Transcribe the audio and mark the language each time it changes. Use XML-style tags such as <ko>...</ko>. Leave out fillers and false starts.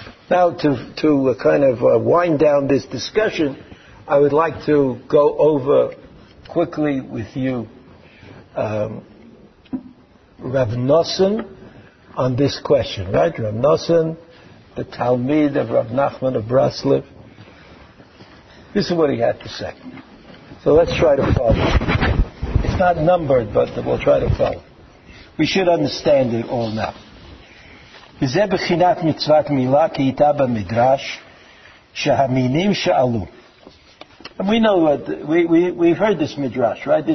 <en>Now, to wind down this discussion, I would like to go over quickly with you Rav Nosson on this question, right? Rav Nosson, the Talmid of Rav Nachman of Breslev. This is what he had to say. So let's try to follow. It's not numbered, but we'll try to follow. We should understand it all now.</en> <he>וזה בחינת מצוות מילה כהיתה במדרש שהמינים שאלו.</he> <en>And we know what we've heard this midrash, right?</en>